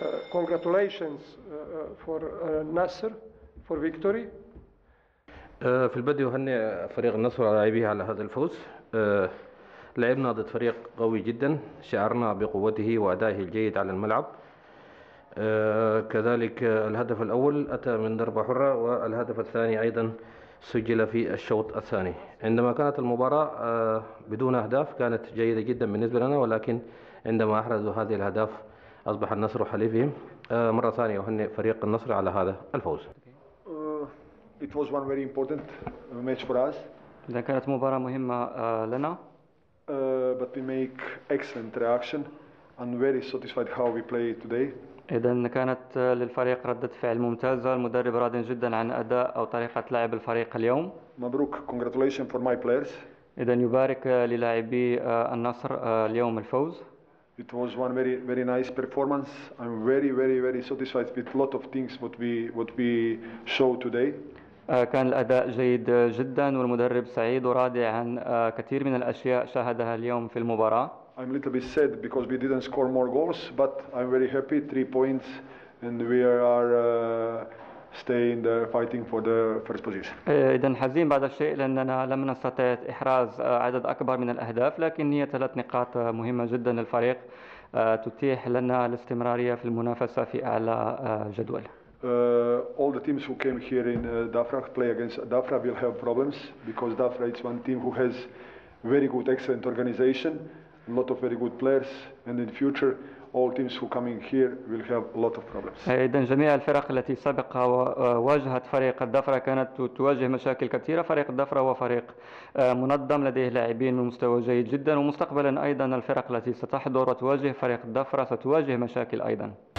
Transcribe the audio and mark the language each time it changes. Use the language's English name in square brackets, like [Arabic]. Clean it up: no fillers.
[English] Congratulations for Nasser for victory. [Arabic] في البدء أهني فريق النصر على لاعبيه على هذا الفوز. لعبنا ضد فريق قوي جدا، شعرنا بقوته وأدائه الجيد على الملعب. كذلك الهدف الأول أتى من ضربة حرة، والهدف الثاني أيضا سجل في الشوط الثاني. عندما كانت المباراة بدون أهداف كانت جيدة جدا بالنسبة لنا، ولكن عندما أحرزوا هذه الأهداف أصبح النصر حليفهم. مرة ثانية أهني فريق النصر على هذا الفوز. [English] It was one very important match for us. [Arabic] إذن كانت مباراة مهمة لنا. [English] But we make excellent reaction and very satisfied how we play today. [Arabic] إذن كانت للفريق ردة فعل ممتازة، المدرب راضي جدا عن أداء أو طريقة لعب الفريق اليوم. [English] مبروك، congratulations for my players. [Arabic] إذن يبارك للاعبي النصر اليوم الفوز. [English] It was one very very nice performance. I'm very very very satisfied with lot of things what we show today. [Arabic] كان الأداء جيد جدا، والمدرب سعيد وراضي عن كثير من الأشياء شاهدها اليوم في المباراة. [English] I'm a little bit sad because we didn't score more goals, but I'm very happy 3 points and we are staying the fighting for the first position. [Arabic] إذن حزين بعض الشيء لأننا لم نستطع إحراز عدد أكبر من الأهداف، لكن هي 3 نقاط مهمة جدا للفريق تتيح لنا الاستمرارية في المنافسة في أعلى جدول. [English] All the teams who came here in Dafra play against Dafra will have problems because Dafra is one team who has very good excellent organization, a lot of very good players, and in future all teams who coming here will have a lot of problems. [Arabic] إذن جميع الفرق التي سبق وواجهت فريق الدفرة كانت تواجه مشاكل كثيرة. فريق الدفرة هو فريق منظم لديه لاعبين من مستوى جيد جدا، ومستقبلا أيضا الفرق التي ستحضر وتواجه فريق الدفرة ستواجه مشاكل أيضا.